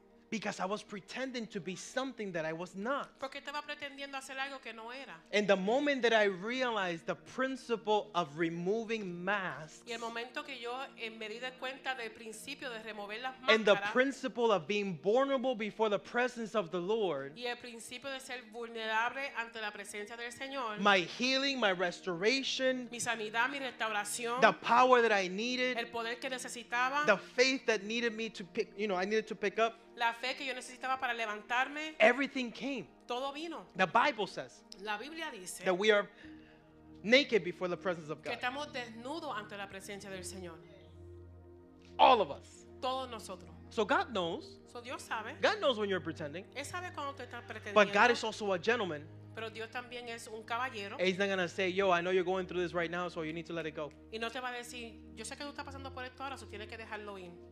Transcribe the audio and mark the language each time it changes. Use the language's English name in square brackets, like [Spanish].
[English] Because I was pretending to be something that I was not. [Spanish] Porque estaba pretendiendo hacer algo que no era. [English] And the moment that I realized the principle of removing masks. [Spanish] Y el momento que yo me di cuenta del principio de remover las máscaras. [English] And the principle of being vulnerable before the presence of the Lord. [Spanish] Y el principio de ser vulnerable ante la presencia del Señor. [English] My healing, my restoration. [Spanish] Mi sanidad, mi restauración. [English] The power that I needed. [Spanish] El poder que necesitaba. [English] The faith that needed me to pick, you know, I needed to pick up. [Spanish] La fe que yo necesitaba para levantarme. [English] Everything came. [Spanish] Todo vino. [English] The Bible says. [Spanish] La Biblia dice. [English] That we are naked before the presence of God. [Spanish] Que estamos desnudos ante la presencia del Señor. [English] All of us. [Spanish] Todos nosotros. [English] So God knows. [Spanish] So Dios sabe. [English] God knows when you're pretending. [Spanish] Él sabe cuando tú estás pretendiendo. [English] But God is also a gentleman. [Spanish] Pero Dios también es un caballero. [English] He's not going to say, yo, I know you're going through this right now, so you need to let it go. [Spanish] Y no te va a decir, yo sé que tú estás pasando por esto ahora, so tienes que dejarlo ir.